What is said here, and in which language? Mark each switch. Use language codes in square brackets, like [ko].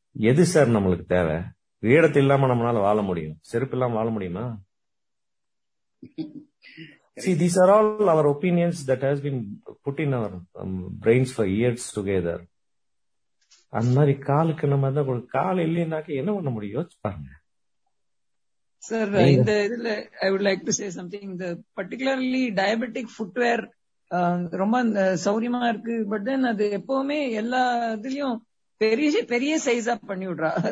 [ta] எது சார் நம்மளுக்கு தேவை? கிரீடத்தை இல்லாம நம்மளால வாழ முடியும்? செருப்பு இல்லாம வாழ முடியுமா? [en] See, these are all our opinions that has been put in our brains for years together. [ta] அந்த மாதிரி காலுக்கு நம்ம தான், கால் இல்லைன்னாக்க என்ன பண்ண முடியும் பாருங்க சார். இந்த இதுல [en] I would like to say something, [ta] இந்த பர்டிகுலர்லி டயபெட்டிக் ஃபுட்வேர் ரொம்ப சௌரியமா இருக்கு, பட் தென் அது எப்பவுமே எல்லா இதுலயும் பெரிய பெரிய சைஸ் அப் பண்ணி விடுறா.